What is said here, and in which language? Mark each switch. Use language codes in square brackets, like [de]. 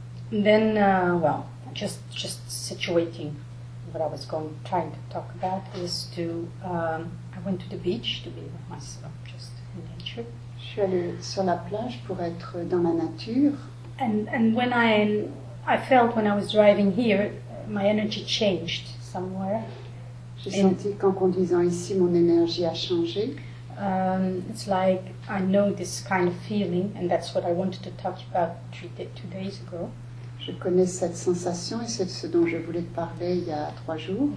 [en] Then, just situating what I was going trying to talk about is to I went to the beach to be with myself, just in nature. [fr] Je suis allée sur la plage pour être dans la nature. [en] And when I felt when I was driving here, my energy changed somewhere. [fr] J'ai senti qu'en conduisant ici, mon énergie a changé. [en] It's like I know this kind of feeling, and that's what I wanted to talk about two days ago. [fr] Je connais cette sensation et c'est ce dont je voulais te parler il y a trois jours.